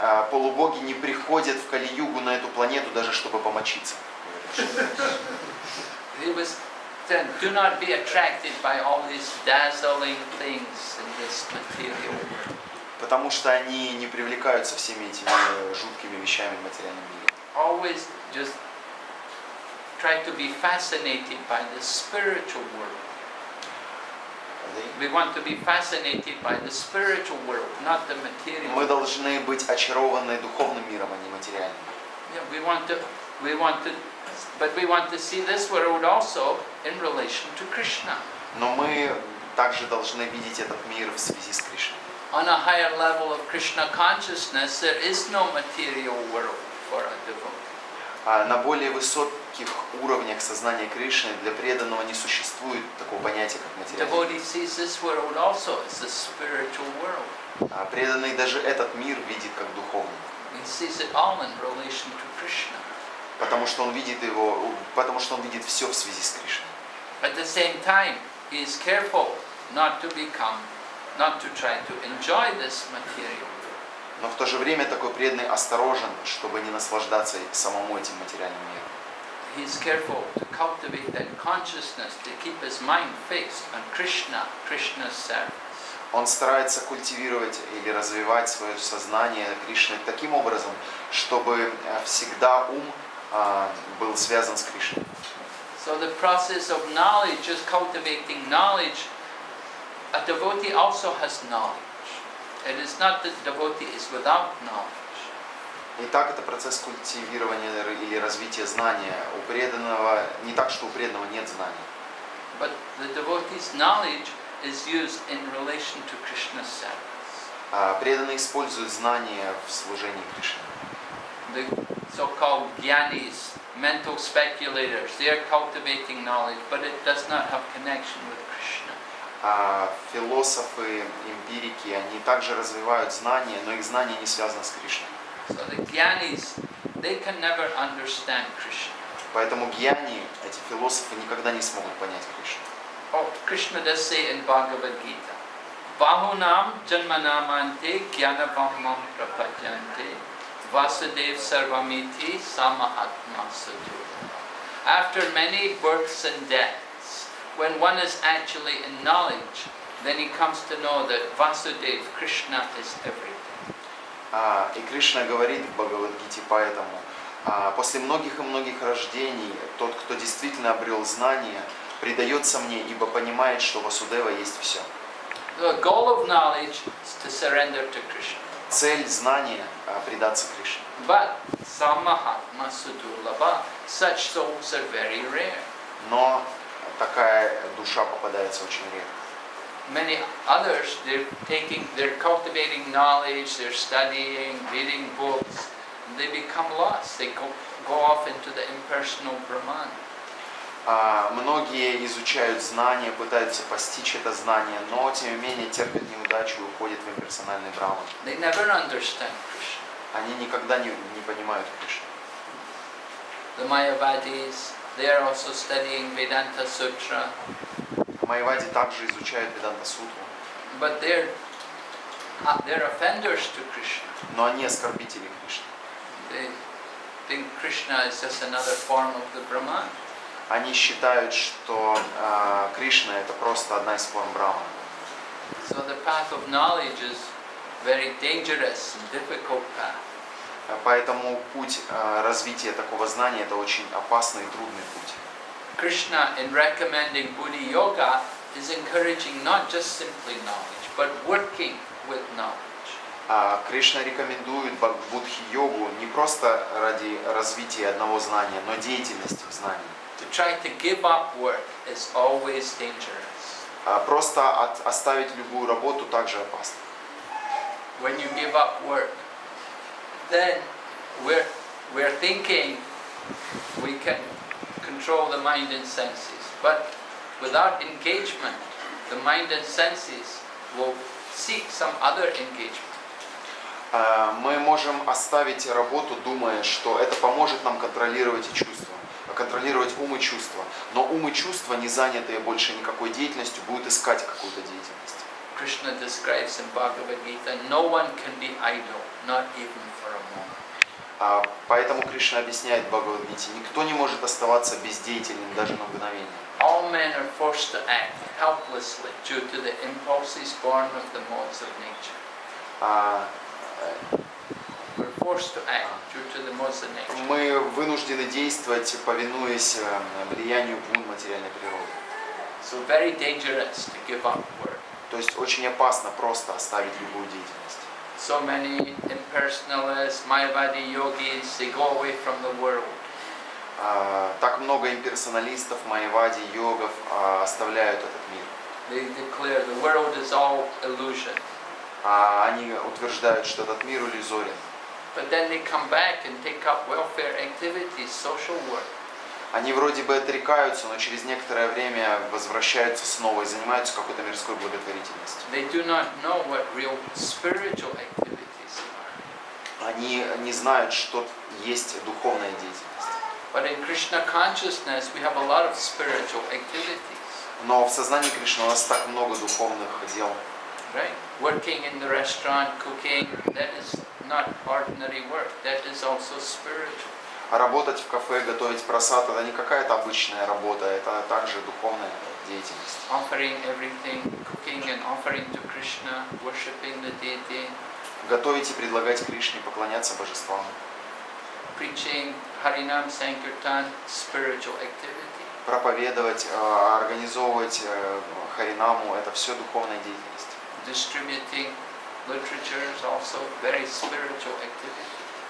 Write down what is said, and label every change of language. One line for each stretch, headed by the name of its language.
Russian: Полубоги не приходят в Кали-Югу на эту планету даже чтобы помочиться.
English: He was saying, do not be attracted by all these dazzling things in this material world.
Russian: Потому что они не привлекаются всеми этими жуткими вещами в материальном мире.
English: Always just try to be fascinated by the spiritual world. We want to be fascinated by the spiritual world, not the material.
Russian: Мы должны быть очарованы духовным миром, а не материальным.
English: We want to see this world also in relation to Krishna.
Russian: Но мы также должны видеть этот мир в связи с Кришной.
English: On a higher level of Krishna consciousness, there is no material world for a devotee.
Russian: На более высоких уровнях сознания Кришны для преданного не существует такого понятия, как материальный. Преданный даже этот мир видит как духовный. Потому что он видит все в связи с Кришной.
English: At the same time, he is careful not to try to enjoy this material.
Russian: Но в то же время такой преданный осторожен, чтобы не наслаждаться самому этим материальным миром.
English: He is careful to cultivate that consciousness to keep his mind fixed on Krishna, Krishna's service.
Russian: Он старается культивировать или развивать свое сознание Кришны таким образом, чтобы всегда ум был связан с Кришной.
English: So the process of knowledge, just cultivating knowledge, a devotee also has knowledge. It is not that the devotee is without knowledge.
Russian: Не так это процесс культивирования или развития знания у преданного, не так, что у преданного нет знания.
English: But the devotee's knowledge is used in relation to Krishna's service.
Russian: Преданный использует знания в служении Кришне.
English: The so-called gyanis, mental speculators, they are cultivating knowledge, but it does not have connection with Krishna.
Russian: Философы, эмпирики, они также развивают знания, но их знания не связаны с Кришной.
English: So the gyanis, they can never understand Krishna.
Russian: Поэтому гьяни, эти философы, никогда не смогут понять Кришну.
English: Oh, Krishna does say in Bhagavad Gita,
Sanskrit: Bahunam janmanamante gyanabhamam prapajante vasudev sarvamiti samahatma sadhura.
English: After many births and deaths, when one is actually in knowledge, then he comes to know that Vasudev, Krishna, is everything.
Russian: И Кришна говорит в Бхагавад Гите поэтому, после многих и многих рождений тот, кто действительно обрел знание, предается мне, ибо понимает, что Васудева есть все.
English: The goal of knowledge is to surrender to Krishna.
Russian: Цель знания — предаться Кришне.
English: But
Sanskrit: samahatma sudurlabha,
English: such souls are very rare.
Russian: Но такая душа попадается очень редко.
English: Many others, they're cultivating knowledge, they're studying, reading books. They become lost. They go off into the impersonal Brahman.
Russian: Многие изучают знания, пытаются постичь это знание, но тем не менее терпят неудачу и уходят в имперсональный Брахман.
English: They never understand Krishna.
Russian: Они никогда не понимают Кришну.
English: The Mayavadis, they are also studying Vedanta Sutra.
Russian: Майявади также изучают Веданта Сутру.
English: But they're offenders to Krishna.
Russian: Но они оскорбители Кришны.
English: They think Krishna is just another form of the Brahman.
Russian: Они считают, что Кришна это просто одна из форм Брахмана.
English: So the path of knowledge is very dangerous and difficult path.
Russian: Поэтому путь развития такого знания это очень опасный и трудный путь.
English: Krishna in recommending Buddhi Yoga is encouraging not just simply knowledge, but working with knowledge.
Russian: Кришна рекомендует Будхи-йогу не просто ради развития одного знания, но деятельности в знании.
English: To try to give up work is always dangerous.
Russian: Просто оставить любую работу также опасно.
English: When you give up work, then we're thinking we can control the mind and senses. But without engagement, the mind and senses will seek some other engagement.
Russian: Мы можем оставить работу, думая, что это поможет нам контролировать чувства, контролировать ум и чувства. Но ум и чувства, не занятые больше никакой деятельностью, будут искать какую-то деятельность.
English: Krishna describes in Bhagavad Gita, no one can be idle, not even for a moment.
Russian: Поэтому Кришна объясняет в Бхагавад Гите, никто не может оставаться бездеятельным даже на мгновение.
English: All men are forced to act helplessly due to the impulses born of the modes of nature. We're forced to act due to the modes of nature.
Russian: Мы вынуждены действовать, повинуясь влиянию бун материальной природы.
English: So very dangerous to give up work.
Russian: То есть очень опасно просто оставить любую деятельность.
English: So many impersonalists, Mayavadi yogis, they go away from the world.
Russian: Так много имперсоналистов, Mayavadi йогов оставляют этот мир.
English: They declare the world is all illusion.
Russian: А они утверждают, что этот мир иллюзорен.
English: But then they come back and take up welfare activities, social work.
Russian: Они вроде бы отрекаются, но через некоторое время возвращаются снова и занимаются какой-то мирской благотворительностью.
English: They do not know what real spiritual activities are.
Russian: Они не знают, что есть духовная деятельность.
English: But in Krishna consciousness we have a lot of spiritual activities.
Russian: Но в сознании Кришны у нас так много духовных дел.
English: Right. Working in the restaurant, cooking, that is not ordinary work. That is also spiritual.
Russian: Работать в кафе, готовить просад, это не какая-то обычная работа, это также духовная деятельность.
English: Offering everything, cooking and offering to Krishna, worshipping the deity.
Russian: Готовить и предлагать Кришне, поклоняться божествам.
English: Preaching Харинам Санкиртан, spiritual activity.
Russian: Проповедовать, организовывать Харинаму, это все духовная деятельность.
English: Distributing literature is also very spiritual activity.